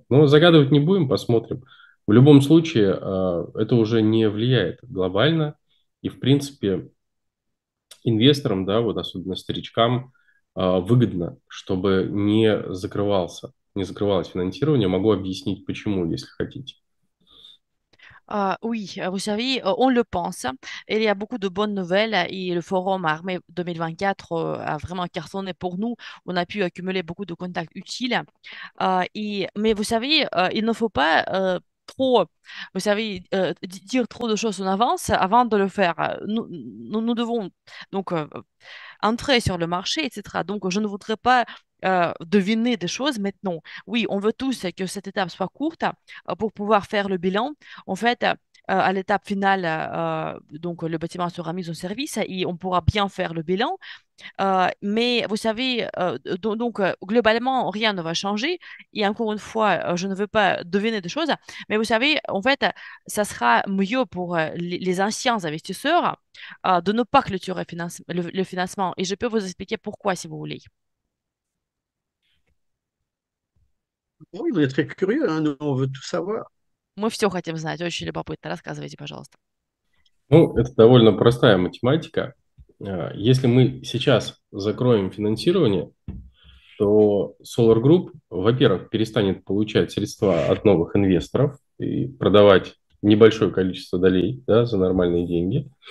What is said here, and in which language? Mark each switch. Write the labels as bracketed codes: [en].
[ru] Но загадывать не будем, посмотрим. В любом случае, это уже не влияет глобально, и в принципе инвесторам, да, вот особенно старичкам, выгодно, чтобы не закрывалось финансирование. Могу объяснить, почему, если хотите. [fr] Oui, vous savez, on le pense. Il y a beaucoup de bonnes nouvelles et le Forum Armée 2024 a vraiment cartonné pour nous. On a pu accumuler beaucoup de contacts utiles. Mais vous savez, il ne faut pas trop, vous savez, dire trop de choses en avance avant de le faire. Nous devons donc entrer sur le marché, etc. Donc, je ne voudrais pas deviner des choses maintenant. Oui, on veut tous que cette étape soit courte pour pouvoir faire le bilan. En fait, à l'étape finale, donc le bâtiment sera mis en service et on pourra bien faire le bilan. Mais vous savez, donc globalement, rien ne va changer. Et encore une fois, je ne veux pas deviner des choses, mais vous savez, en fait, ça sera mieux pour les anciens investisseurs de ne pas clôturer le financement. Et je peux vous expliquer pourquoi, si vous voulez. Oui, on est très curieux, hein, nous, on veut tout savoir. [ru] Мы все хотим знать. Очень любопытно. Рассказывайте, пожалуйста. Ну, это довольно простая математика. Если мы сейчас закроем финансирование, то Solar Group, во-первых, перестанет получать средства от новых инвесторов и продавать небольшое количество долей, да, за нормальные деньги.